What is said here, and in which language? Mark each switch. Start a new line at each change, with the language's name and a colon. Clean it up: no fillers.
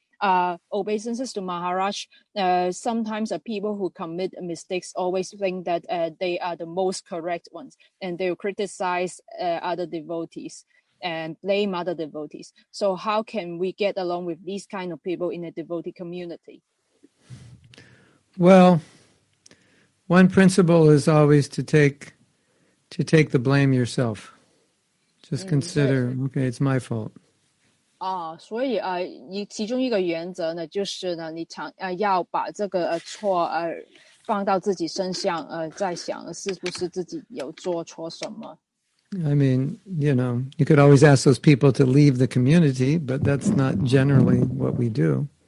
English: Obeisances to Maharaj, sometimes the people who commit mistakes always think that they are the most correct ones, and they will criticize other devotees and blame other devotees. So how can we get along with these kind of people in a devotee community? Well, one principle is always to take the blame yourself. Just consider, okay, it's my fault.
Chinese: 所以其中一个原则呢，就是呢，你要把这个错放到自己身上，在想是不是自己有做错什么。
English: I mean, you know, you could always ask those people to leave the community, but that's not generally what we do.